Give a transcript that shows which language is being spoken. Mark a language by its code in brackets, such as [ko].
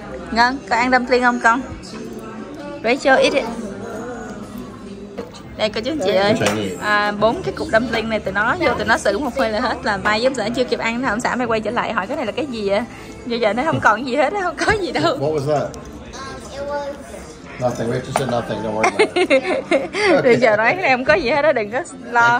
[vi] Ngân, có ăn dumpling không con? [en] Rachel, eat it. [vi] Đây có chứ chị ơi. À, 4 cái cục dumpling này tụi nó xử một hơi là hết. Là Mai giống sợ chưa kịp ăn thì ông xã Mai quay trở lại hỏi cái này là cái gì vậy? Như vậy nó không còn gì hết, nó không có gì đâu. [en] What was that? Nothing, Rachel said nothing, don't worry about it. Okay. [vi] Rồi giờ nói em có gì hết đó, đừng có lo.